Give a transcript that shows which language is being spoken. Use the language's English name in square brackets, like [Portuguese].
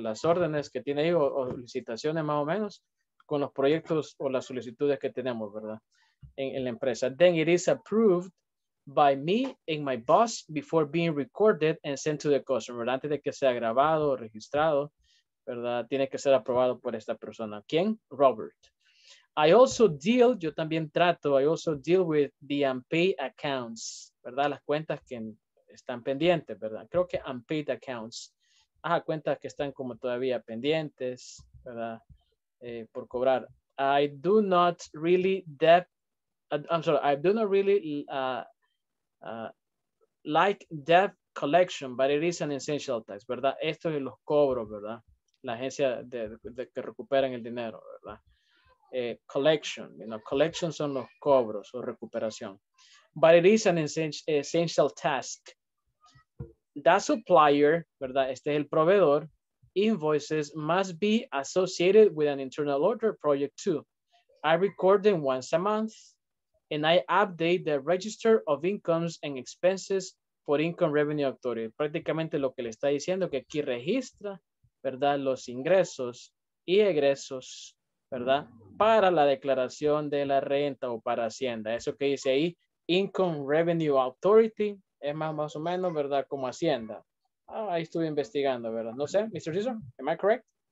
[Spanish] Las órdenes que tiene ahí o licitaciones más o menos con los proyectos o las solicitudes que tenemos, ¿verdad? En la empresa. [English] Then it is approved by me and my boss before being recorded and sent to the customer, ¿verdad? [Spanish] Antes de que sea grabado o registrado, ¿verdad? Tiene que ser aprobado por esta persona. ¿Quién? Robert. [English] I also deal, [Spanish] yo también trato, [English] I also deal with the unpaid accounts, [Spanish] ¿verdad? Las cuentas que están pendientes, ¿verdad? Creo que unpaid accounts. Ajá, cuentas que están como todavía pendientes, ¿verdad? Por cobrar. [English] I do not really debt, I'm sorry, I do not really like debt collection, but it is an essential tax, ¿verdad? [Spanish] Esto es los cobros, ¿verdad? La agencia de que recuperan el dinero, ¿verdad? Collection, [English] you know, [Spanish] collection son los cobros o recuperación. [English] But it is an essential task. That supplier, ¿verdad? [Spanish] Este es el proveedor. [English] Invoices must be associated with an internal order project too. I record them once a month and I update the register of incomes and expenses for income revenue authority. [Spanish] Prácticamente lo que le está diciendo que aquí registra, ¿verdad? Los ingresos y egresos, ¿verdad? Para la declaración de la renta o para Hacienda. Eso que dice ahí, Income Revenue Authority, es más o menos, ¿verdad? Como Hacienda. Ah, ahí estuve investigando, ¿verdad? No sé, Mr. Caesar, [English] am I correct?